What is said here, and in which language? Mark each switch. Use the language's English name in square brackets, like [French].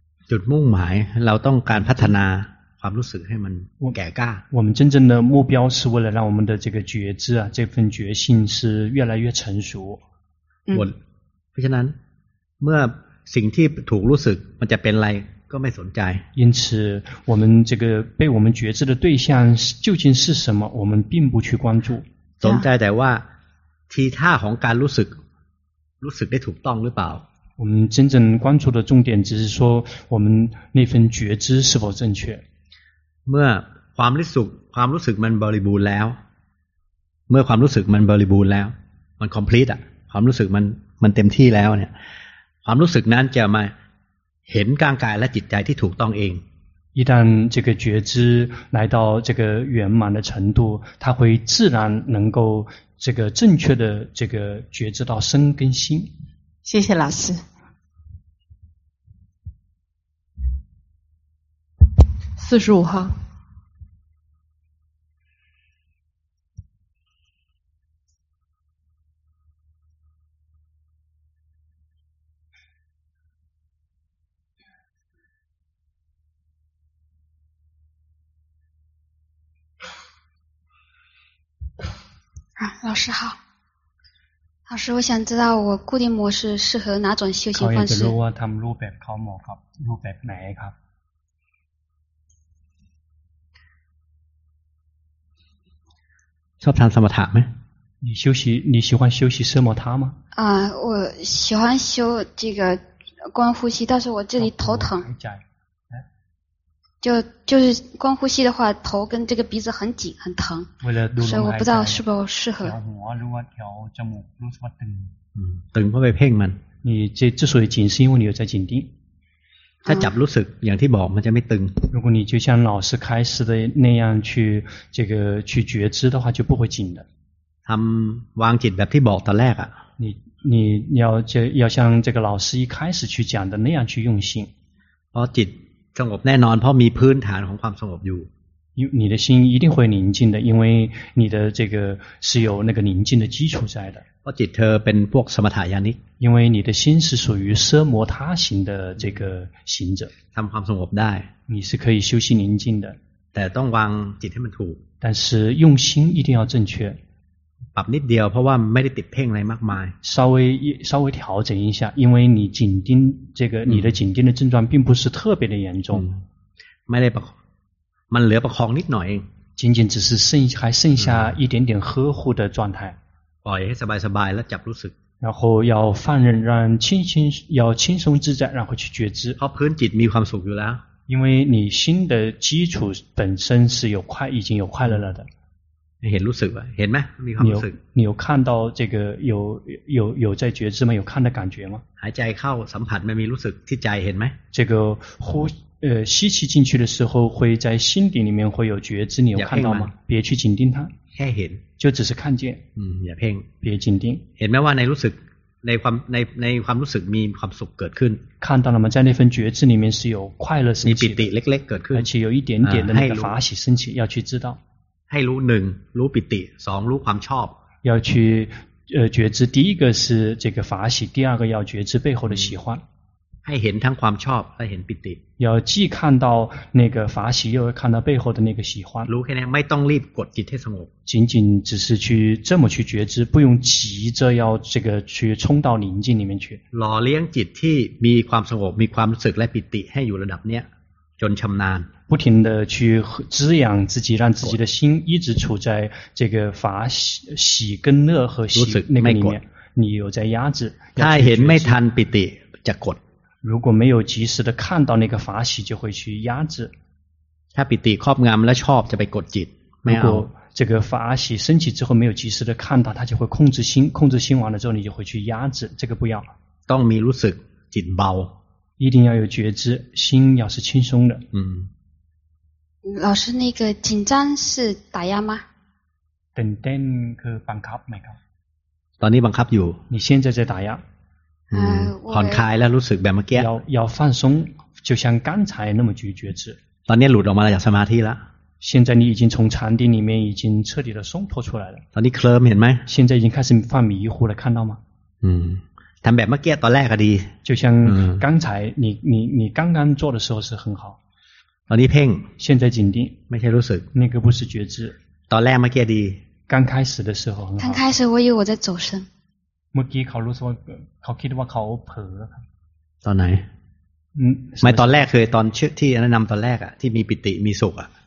[Thai] จุดมุ่งหมายเราต้องการพัฒนาความรู้สึกให้มันแก่กล้า [Chinese] 我们真正的目标是为了让我们的这个觉知啊这份觉性是越来越成熟 [Thai] 我เพราะฉะนั้นเมื่อสิ่งที่ถูกรู้สึกมันจะเป็นอะไรก็ไม่สนใจ [Chinese] 因此我们这个被我们觉知的对象究竟是什么我们并不去关注 [Thai] สนใจแต่ว่าทีท่าของการรู้สึกได้ถูกต้องหรือเปล่า [Chinese] 我们真正关注的重点只是说我们那份觉知是否正确 [Thai] เมื่อความรู้สึกมันบริบูรณ์แล้วเมื่อความรู้สึกมันบริบูรณ์แล้วมัน complete อ่ะความรู้สึกมันเต็มที่แล้วเนี่ยความรู้สึกนั้นจะมาเห็นกายและจิตใจที่ถูกต้องเอง [Chinese] 一旦这个觉知来到这个圆满的程度它会自然能够这个正确的这个觉知到身跟心谢谢老师 45号老师好老师我想知道我固定模式适合哪种修行方式 [Thai] เขาจะรู้ว่าทำรูปแบบเขาเหมาะกับรูปแบบไหนครับ ชอบทำสมถะไหม [Chinese] 你休息你喜欢休息奢摩他吗我喜欢修这个观呼吸但是我这里头疼就是光呼吸的话头跟这个鼻子很紧很疼为了所以我不知道是否适合调摩如果调这么如果说等等会被骗吗你这之所以紧是因为你有在紧盯 [Thai] 他จับรู้สึกอย่างที่บอกมันจะไม่ตึง [Chinese] 如果你就像老师开始的那样去这个去觉知的话就不会紧的 [Thai] ทำวางจิตแบบที่บอกตอนแรกอ่ะ [Chinese] 你要这要像这个老师一开始去讲的那样去用心 [Thai] เพราะจิตสงบแน่นอนเพราะมีพื้นฐานของความสงบอยู่ [Chinese] 你的心一定会宁静的，因为你的这个是有那个宁静的基础在的。 [Thai] เพราะจิตเธอเป็นพวกสมถะญาณิก [Chinese] 因为你的心是属于奢摩他行的这个行者。 [Thai] ทำความสงบได้ [Chinese] 你是可以修习宁静的。 [Thai] แต่ต้องวางจิตให้มันถูก [Chinese] 但是用心一定要正确。 [Thai] ปรับนิดเดียวเพราะว่าไม่ได้ติดเพ่งอะไรมากมาย [Chinese] 稍微调整一下，因为你紧盯这个你的紧盯的症状并不是特别的严重。 [Thai] ไม่ได้ประคองมันเหลือประคองนิดหน่อยเอง [Chinese] 仅仅只是还剩下一点点呵护的状态。 [Thai] ปล่อยให้สบายๆแล้วจับรู้สึก [Chinese] 然后要放任让轻要轻松自在然后去觉知。 [Thai] เพราะพื้นจิตมีความสุขอยู่แล้ว [Chinese] 因为你心的基础本身是有快已经有快乐了的。 [Thai] เห็นรู้สึกไหมเห็นไหมมีความรู้สึก [Chinese] 你有看到这个有在觉知吗有看的感觉吗 [Thai] หายใจเข้าสัมผัสไม่มีรู้สึกที่ใจเห็นไหม [Chinese] 这个吸气进去的时候会在心底里面会有觉知你有看到吗别去紧盯它 [Thai] แค่เห็น [Chinese] 就只是看见 [Thai] อย่าเพ่ง [Chinese] 别紧盯 [Thai] เห็นไหมว่าในรู้สึกในความรู้สึกมีความสุขเกิดขึ้น [Chinese] 看到了吗在那份觉知里面是有快乐升起 [Thai] มีปิติเล็กๆเกิดขึ้น [Chinese] 而且有一点点的那个法喜升起要去知道 [Thai] ให้รู้หนึ่งรู้ปิติสองรู้ความชอบ [Chinese] 要去觉知第一个是这个法喜第二个要觉知背后的喜欢 [Thai] ให้เห็นทั้งความชอบและเห็นปิติ [Chinese] 要既看到那个法喜又看到背后的那个喜欢 [Thai] รู้แค่นี้ไม่ต้องรีบกดจิตให้สงบ [Chinese] 仅仅只是去这么去觉知不用急着要这个去冲到宁静里面去 [Thai] หล่อเลี้ยงจิตที่มีความสงบมีความรู้สึกและปิติให้อยู่ระดับเนี้ยจนชำนาญ [Chinese] 不停地去滋养自己让自己的心一直处在这个法喜跟乐和喜那个里面你有在压制 [Thai] 他เห็นไม่ทันปิติจะกด [Chinese] 如果没有及时地看到那个法喜就会去压制 [Thai] ถ้าปิติครอบงำและชอบจะไปกดจิตไม่เอา [Chinese] 如果这个法喜升起之后没有及时地看到他就会控制心控制心完了之后你就会去压制这个不要 [Thai] ต้องมีรู้สึกจิตเบา [Chinese] 一定要有觉知心要是轻松的老师那个紧张是打压吗 [Thai] ตึงเต้นคือบังคับไหมครับ ตอนนี้บังคับอยู่ [Chinese] 你现在在打压 [Thai] ผ่อนคลายแล้วรู้สึกแบบเมื่อกี้ [Chinese] 要放松就像刚才那么觉知 [Thai] ตอนนี้หลุดออกมาจากสมาธิแล้ว [Chinese] 现在你已经从禅定里面已经彻底的松脱出来了 [Thai] ตอนนี้เคลิ้มเห็นไหม [Chinese] 现在已经开始犯迷糊了看到吗 [Thai] ทำแบบเมื่อกี้ตอนแรกก็ดี [Chinese] 就像刚才你刚刚做的时候是很好 [Thai] ตอนนี้เพ่ง [Chinese] 现在紧盯 [Thai] ไม่ใช่รู้สึก [Chinese] 那个不是觉知 [Thai] ตอนแรกเมื่อกี้ดี [Chinese] 刚开始的时候很好刚开始我以为我在走神 [Thai] เมื่อกี้เขารู้สึกว่าเขาคิดว่าเขาเผลอ ตอนไหนไม่ตอนแรกเคยตอนชื่อที่แนะนำตอนแรกอ่ะที่มีปิติมีสุขอ่ะ